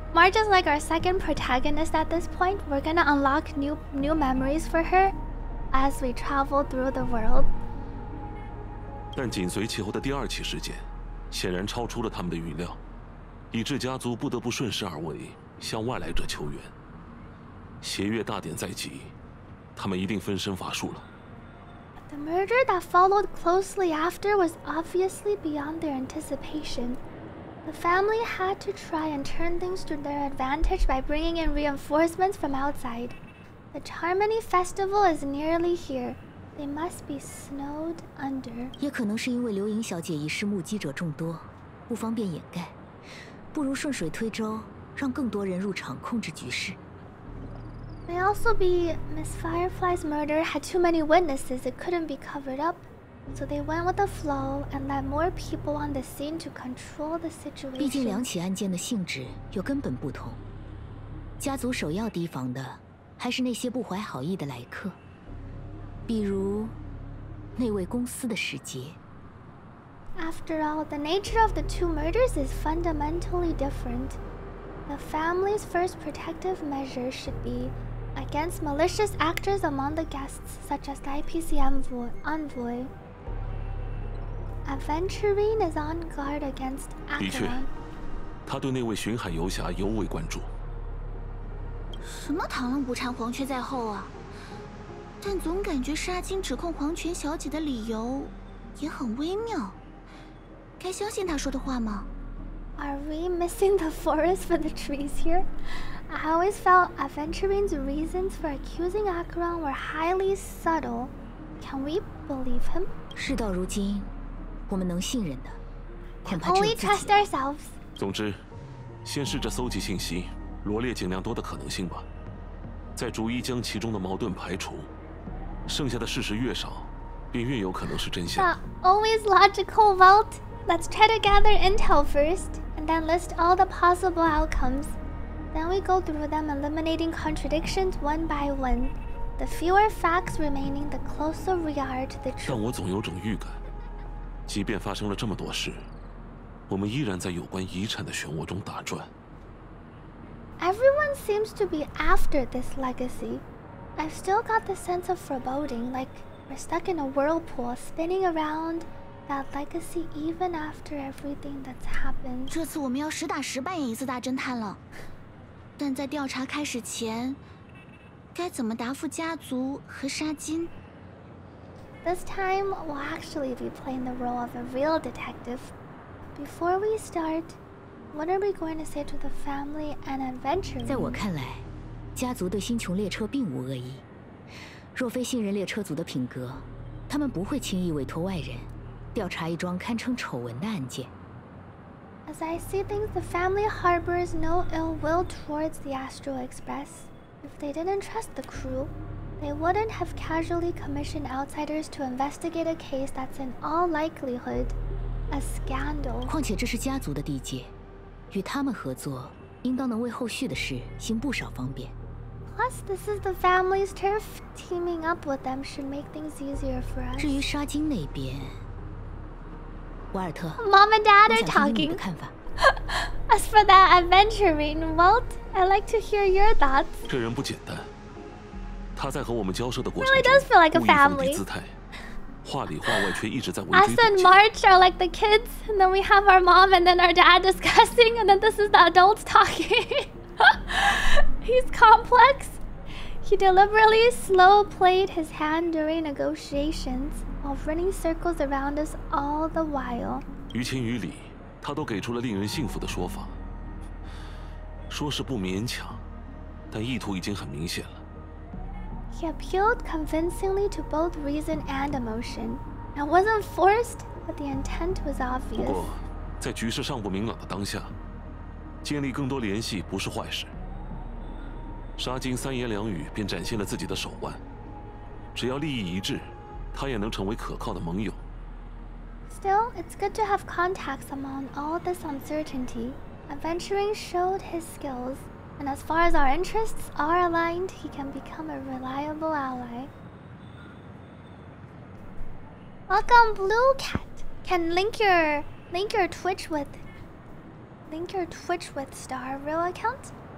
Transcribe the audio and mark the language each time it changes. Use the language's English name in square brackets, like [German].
[English] March is like our second protagonist at this point. We're gonna unlock new memories for her as we travel through the world. [Chinese] 但紧随其后的第二起事件显然超出了他们的预料，以致家族不得不顺势而为，向外来者求援。邪月大典在即，他们一定分身乏术了。 [English] The murder that followed closely after was obviously beyond their anticipation. The family had to try and turn things to their advantage by bringing in reinforcements from outside. The Charmony Festival is nearly here. They must be snowed under. [Chinese] 也可能是因为刘莹小姐一事目击者众多，不方便掩盖，不如顺水推舟，让更多人入场控制局势。 [English] May also be Miss Firefly's murder had too many witnesses, it couldn't be covered up. So they went with the flow and let more people on the scene to control the situation. [Chinese] 毕竟两起案件的性质又根本不同，家族首要提防的还是那些不怀好意的来客，比如那位公司的使节。 [English] After all, the nature of the two murders is fundamentally different. The family's first protective measure should be against malicious actors among the guests, such as the IPC envoy. Aventurine is on guard against Akron. [Chinese] 的确，他对那位巡海游侠尤为关注。什么螳螂捕蝉，黄雀在后啊！但总感觉杀青指控黄泉小姐的理由也很微妙，该相信她说的话吗？ [English] Are we missing the forest for the trees here? I always felt Aventurine's reasons for accusing Acheron were highly subtle. Can we believe him? [Chinese] 事到如今，我们能信任的恐怕只有自己。 [English] Only trust ourselves. [Chinese] 总之，先试着搜集信息，罗列尽量多的可能性吧，再逐一将其中的矛盾排除，剩下的事实越少便越有可能是真相。 [English] The always logical vault. Let's try to gather intel first and then list all the possible outcomes. Then we go through them eliminating contradictions one by one. The fewer facts remaining, the closer we are to the truth. [Chinese] 但我总有种预感，即便发生了这么多事，我们依然在有关遗产的漩涡中打转。 [English] Everyone seems to be after this legacy. I've still got the sense of foreboding, like we're stuck in a whirlpool spinning around that legacy even after everything that's happened. [Chinese] 这次我们要实打实扮演一次大侦探了，但在调查开始前，该怎么答复家族和沙金？ [English] This time, we'll actually be playing the role of a real detective. Before we start,What are we going to say to the family and adventure? [Chinese] 在我看来，家族对星穹列车并无恶意。若非信任列车族的品格，他们不会轻易委托外人调查一桩堪称丑闻的案件。 [English] As I see things, the family harbors no ill will towards the Astro Express. If they didn't trust the crew, they wouldn't have casually commissioned outsiders to investigate a case that's in all likelihood a scandal. [Chinese] 况且这是家族的地界。与他们合作，应当能为后续的事行不少方便。 [English] Plus, this is the family's turf. Teaming up with them should make things easier for us. [Chinese] 至于沙金那边，瓦尔特 [English] ，Mom and Dad are talking. [Chinese] 我想听你的看法。 [English] As for that adventuring, Walt, I'd like to hear your thoughts. [Chinese] 这人不简单，他在和我们交涉的过程中 [English] really does feel like a family. [Chinese] 故意放低姿态，话里话外却一直在围追堵截。 [English] Us and March are like the kids, and then we have our mom and then our dad discussing, and then this is the adults talking. He's complex. He deliberately slow played his hand during negotiations while running circles around us all the while. [Chinese] 于情于理，他都给出了令人信服的说法。说是不勉强，但意图已经很明显了。 [English] He appealed convincingly to both reason and emotion. I wasn't forced, but the intent was obvious. [Chinese] 不过，在局势尚不明朗的当下，建立更多联系不是坏事。沙金三言两语便展现了自己的手腕，只要利益一致，他也能成为可靠的盟友。 [English] Still, it's good to have contacts among all this uncertainty. Aventurine showed his skills. And as far as our interests are aligned, he can become a reliable ally. Welcome, Blue Cat. Can link your Twitch with Star Real account?